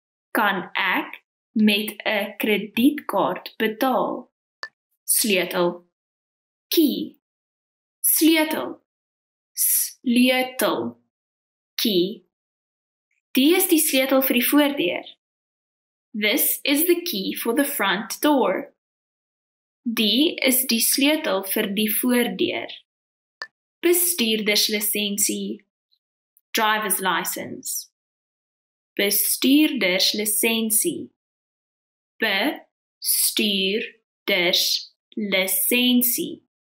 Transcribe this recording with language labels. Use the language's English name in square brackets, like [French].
[Afrikaans] Kan ek met 'n kredietkaart betaal? Sleutel. key. Sleutel. Sleutel. Key. Die is die sleutel vir die voordeur. [English] This is the key for the front door. [Afrikaans] Die is die sleutel vir die voordeur. Bestuurderslisensie. Driver's license. Bestuurderslisensie. Bestuurderslisensie.